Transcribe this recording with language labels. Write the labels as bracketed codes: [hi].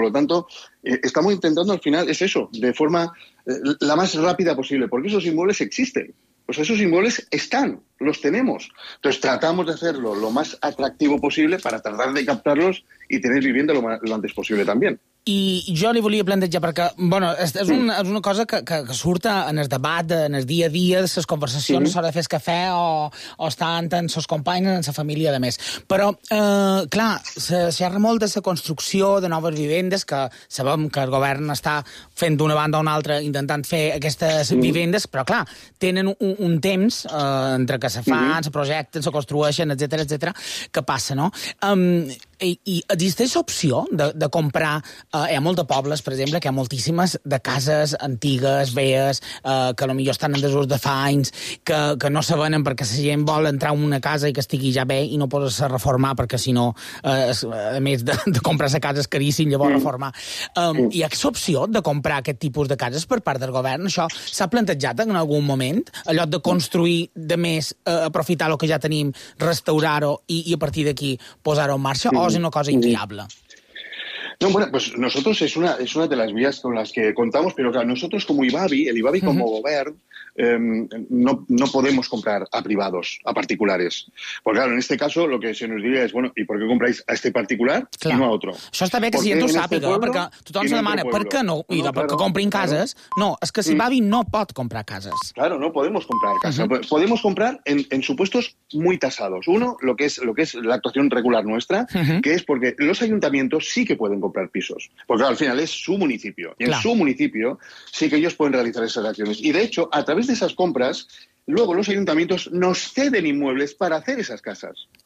[es] Por lo tanto, estamos intentando al final, es eso, de forma la más rápida posible, porque esos inmuebles existen. Pues esos inmuebles están, los tenemos. Entonces tratamos de hacerlo lo más atractivo posible para tratar de captarlos y tener vivienda lo antes posible también. [ca] I jo li volia plantejar, perquè bueno, és una cosa que surt en el debat, en el dia a dia, de les conversacions, sí, a l'hora de fer el cafè o estant amb els companys, amb la família, a més. Però, clar, se xerra molt de la construcció de noves vivendes, que sabem que el govern està fent d'una banda a una altra intentant fer aquestes, sí, vivendes, però, clar, tenen un temps entre que se fan, se projecten, se construeixen, etcètera, etcètera, que passa, no? I existeix opció de comprar... hi ha molts pobles, per exemple, que hi ha moltíssimes de cases antigues, velles, que potser estan en desús de fa anys, que no se venen perquè la gent vol entrar en una casa i que estigui ja bé i no posa-se a reformar, perquè si no, a més de comprar la casa és caríssim, llavors reformar. Hi ha aquesta opció de comprar aquest tipus de cases per part del govern? Això s'ha plantejat en algun moment? En lloc de construir, de més, aprofitar el que ja tenim, restaurar-ho i a partir d'aquí posar-ho en marxa? O és una cosa inviable? [es] No, bueno, pues nosotros es una de las vías con las que contamos, pero claro, nosotros como IBABI, el IBABI como gobierno, no podemos comprar a privados, a particulares. Porque claro, en este caso lo que se nos diría es, bueno, ¿y por qué compráis a este particular y no a otro? [ca] Això està bé que si ja t'ho sàpiga, perquè tothom se demana, ¿per què no? I perquè comprin cases. No, és que si IBABI no pot comprar cases. [es] Claro, no podemos comprar cases. Podemos comprar en supuestos muy tasados. Uno, lo que es la actuación regular nuestra, que es porque los ayuntamientos sí que pueden comprar pisos. Porque claro, al final es su municipio. Y en su municipio sí que ellos pueden realizar esas acciones. Y de hecho, a través de esas compras, luego los ayuntamientos nos ceden inmuebles para hacer esas casas.